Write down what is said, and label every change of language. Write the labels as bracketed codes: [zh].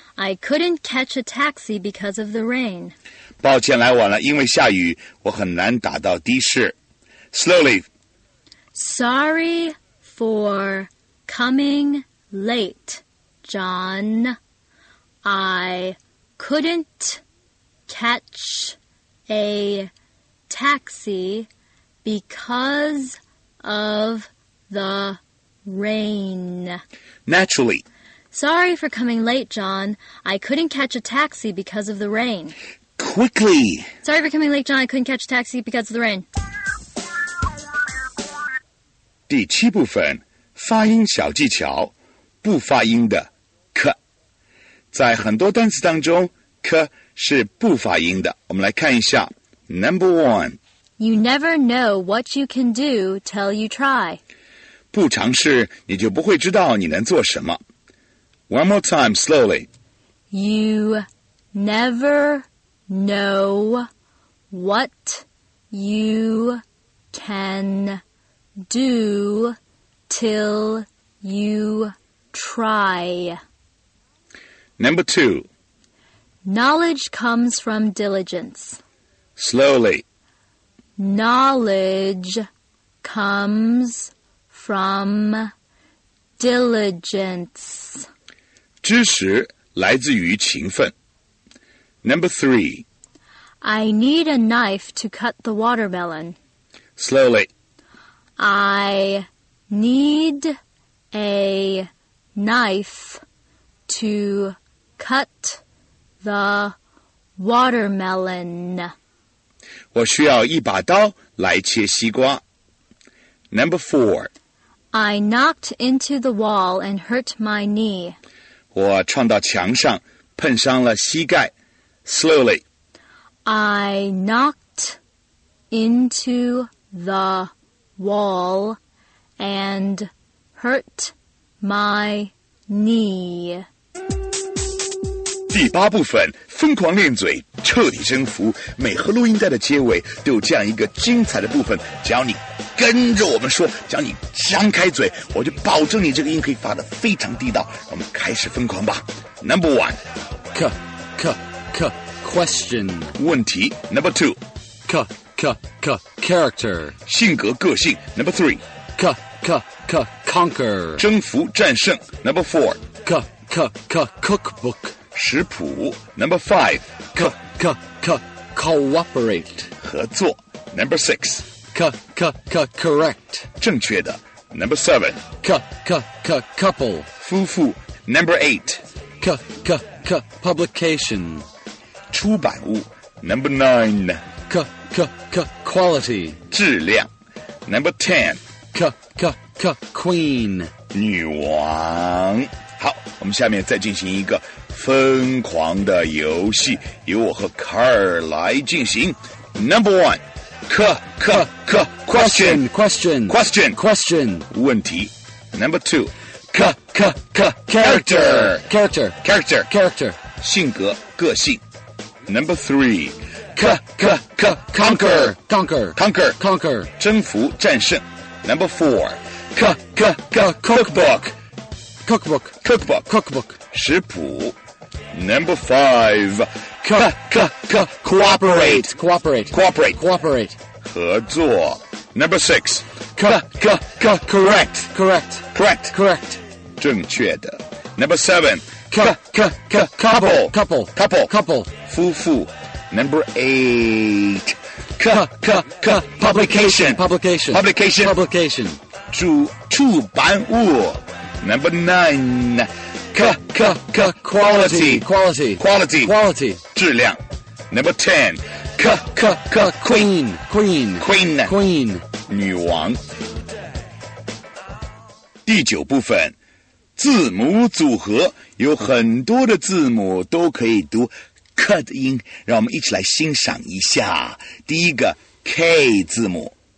[en] I couldn't catch a taxi because of the rain. [zh] 抱歉来晚了，因为下雨，我很难打到的士。 [en] Slowly. Sorry for coming late, John. I couldn't catch a taxi. Because of the rain. Naturally. Sorry for coming late, John. I couldn't catch a taxi because of the rain. Quickly. Sorry for coming late, John. I couldn't catch a taxi because of the rain. [zh] 第七部分，发音小技巧，不发音的 k. 在很多单词当中 ，k 是不发音的。我们来看一下 ， [en] Number one. You never know what you can do till you try. [zh] 不尝试，你就不会知道你能做什么。 [en] One more time, slowly. You never know what you can do till you try. Number two. Knowledge comes from diligence. Slowly. Knowledge comes from diligence. [zh] 知识来自于勤奋。 [en] Number 3. I need a knife to cut the watermelon. Slowly. I need a knife to cut the watermelon. [zh] 我需要一把刀来切西瓜。 [en] Number 4. I knocked into the wall and hurt my knee. [zh] 我撞到墙上，碰伤了膝盖。 [en] Slowly. I knocked into the wall and hurt my knee. [zh] 第八部分，疯狂练嘴。彻底征服，每盒录音带的结尾都有这样一个精彩的部分，只要你跟着我们说，只要你张开嘴，我就保证你这个音可以发得非常地道。我们开始疯狂吧。 [en] Number one. K K K question. [zh] 问题 [en] number two. K K K character. [zh] 性格个性 [en] number three. K K K conquer. [zh] 征服战胜 [en] number four. K K K cookbook. [zh] 食谱 [en] number five. K K K cooperate. [zh] 合作 [en] number six. K K K correct. [zh] 正确的 [en] number seven. K K K couple. [zh] 夫妇 [en] number eight. K K K publication. [zh] 出版物 [en] Number 9 K K K quality [zh] 质量 [en] Number 10 K K K queen [zh] 女王好我们下面再进行一个疯狂的游戏由我和卡尔来进行 [en] Number 1 [zh] K K K [en] question question question question [zh] 问题 [en] Number 2 K K K character character character character [zh] 性格个性 [en] Number three, k k k conquer, conquer, conquer, conquer, [zh] 征服战胜 [en] Number four, k k k cookbook, cookbook, cookbook, cookbook, [zh] 食谱 [en] Number five, k k k cooperate, cooperate, cooperate, cooperate, [zh] 合作 [en] Number six, k k k correct, correct, correct, correct, [zh] 正确的 [en] Number seven, k k k couple, couple, couple, couple. [zh] 夫妇 [en] Number 8 K K K Publication Publication Publication Publication [zh] 出版物 [en] Number 9 K K K Quality Quality Quality Quality [zh] 质量 [en] Number 10 K K K Queen Queen Queen [zh] Queen 女王第九部分字母组合有很多的字母都可以读K 的音，让我们一起来欣赏一下。第一个 K 字母